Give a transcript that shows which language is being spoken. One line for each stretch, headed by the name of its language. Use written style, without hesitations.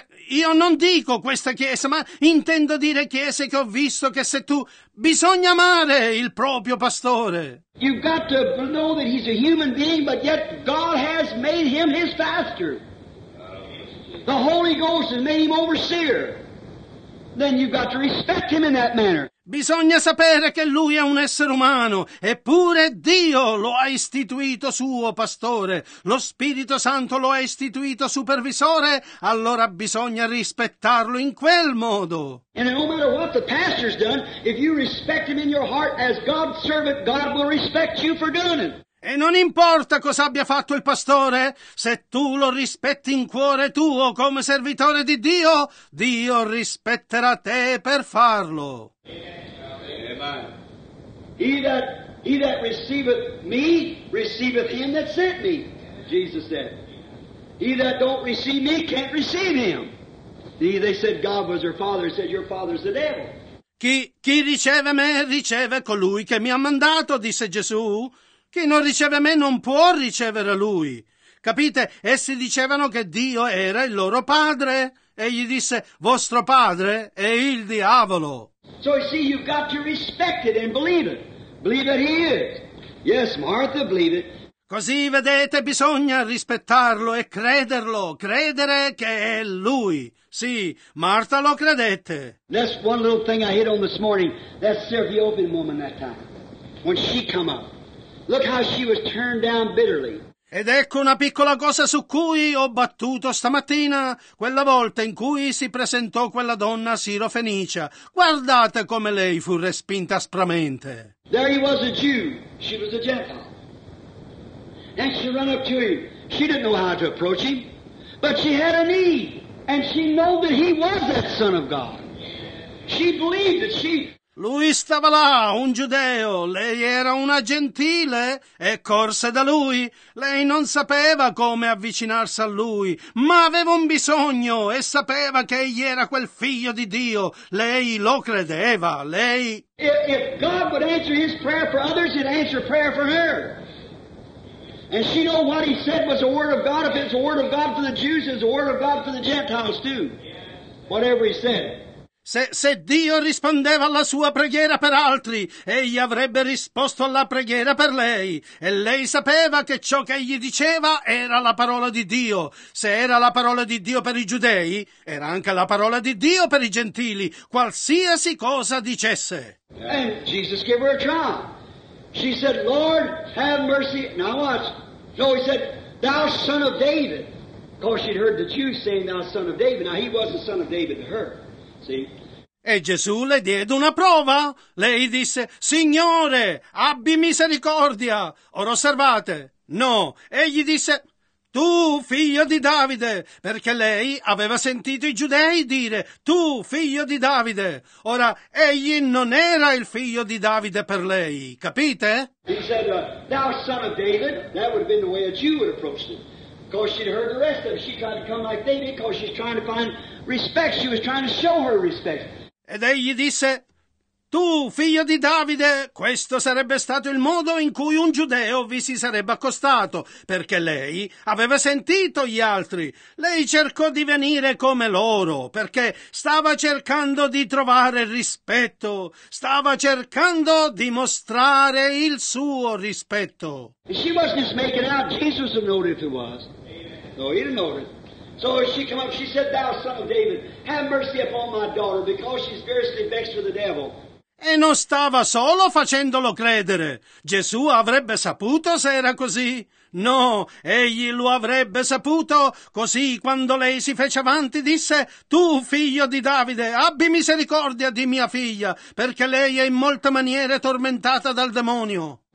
Italian: Io non dico questa chiesa, ma intendo dire chiese che ho visto che se tu bisogna amare il proprio pastore.
English: You've got to know that he's a human being, but yet God has made him his pastor. The Holy Ghost has made him overseer. Then you've got to respect him in that manner.
Italian: Bisogna sapere che lui è un essere umano, eppure Dio lo ha istituito suo pastore, lo Spirito Santo lo ha istituito supervisore, allora bisogna rispettarlo in quel modo.
English: And no matter what the pastor's done, if you respect him in your heart as God's servant, God will respect you for doing it.
Italian: E non importa cosa abbia fatto il pastore, se tu lo rispetti in cuore tuo come servitore di Dio, Dio rispetterà te per farlo.
English: Amen. He that receiveth me, receiveth him that sent me, Jesus said. He that don't receive me, can't receive him. They said God was your father, said your father's the devil.
Italian: Chi riceve me, riceve colui che mi ha mandato, disse Gesù. Chi non riceve me non può ricevere lui. Capite? Essi dicevano che Dio era il loro padre. E gli disse, vostro padre è il diavolo.
English: So you see, you've got to respect it and believe it. Believe that he is. Yes, Martha, believe it.
Italian: Così, vedete, bisogna rispettarlo e crederlo. Credere che è lui. Sì, Martha lo credette.
English: That's one little thing I hit on this morning. That Ethiopian woman that time. When she come up. Look how she was turned down bitterly.
Italian: Ed ecco una piccola cosa su cui ho battuto stamattina, quella volta in cui si presentò quella donna sirofenicia. Guardate come lei fu respinta aspramente.
English: There he was a Jew. She was a Gentile. And she ran up to him. She didn't know how to approach him. But she had a need. And she knew that he was that son of God. She believed that she...
Italian: Lui stava là, un giudeo, lei era una gentile e corse da lui. Lei non sapeva come avvicinarsi a lui, ma aveva un bisogno e sapeva che egli era quel figlio di Dio. Lei lo credeva, lei...
English: If God would answer his prayer for others, he'd answer prayer for her. And she knew what he said was a word of God. If it's a word of God for the Jews, it's a word of God for the Gentiles too. Whatever he said.
Italian: Se Dio rispondeva alla sua preghiera per altri, egli avrebbe risposto alla preghiera per lei. E lei sapeva che ciò che egli diceva era la parola di Dio. Se era la parola di Dio per i giudei, era anche la parola di Dio per i gentili, qualsiasi cosa dicesse.
English: And Jesus gave her a trial. She said, Lord, have mercy. Now watch. No, he said, thou son of David. Of course, she'd heard the Jews saying, thou son of David. Now, he was the son of David to her.
Italian: E Gesù le diede una prova. Lei disse, Signore, abbi misericordia. Ora osservate, no. Egli disse, tu figlio di Davide, perché lei aveva sentito i giudei dire, tu figlio di Davide. Ora, egli non era il figlio di Davide per lei, capite?
English: He said, thou son of David, that would have been the way a Jew would approach him. Because she'd heard the rest of it. She tried to come like David because she's trying to find respect. She was trying to show her respect.
Italian: Ed egli disse, tu, figlio di Davide, questo sarebbe stato il modo in cui un giudeo vi si sarebbe accostato, perché lei aveva sentito gli altri. Lei cercò di venire come loro, perché stava cercando di trovare rispetto, stava cercando di mostrare il suo rispetto.
English: She wasn't just making out. Jesus would know if it was. No, he didn't know it. So she came up, she said, thou son of David, have mercy upon my daughter, because she's fiercely vexed with the devil.
Italian: E non stava solo facendolo credere. Gesù avrebbe saputo se era così. No, egli lo avrebbe saputo. Così, quando lei si fece avanti, disse, tu, figlio di Davide, abbi misericordia di mia figlia, perché lei è in molte maniere tormentata dal demonio.